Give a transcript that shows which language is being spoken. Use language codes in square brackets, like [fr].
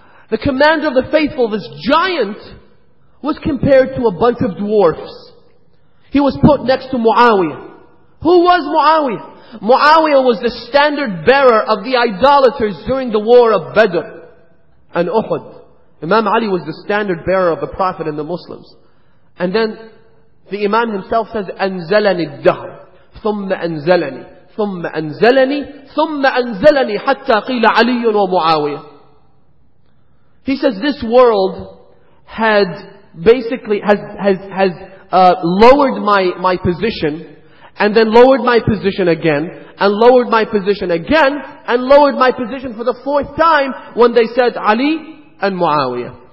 [en] The commander of the faithful, this giant, was compared to a bunch of dwarfs. He was put next to Muawiyah. Who was Muawiyah? Muawiyah was the standard bearer of the idolaters during the war of Badr and Uhud. Imam Ali was the standard bearer of the Prophet and the Muslims. And then the Imam himself says, [ar] أنزلني الدهر ثم أنزلني ثم أنزلني ثم أنزلني حتى قيل علي ومعاوية. [en] He says this world had basically lowered my position, and then lowered my position again, and lowered my position again, and lowered my position for the fourth time when they said Ali and Muawiyah.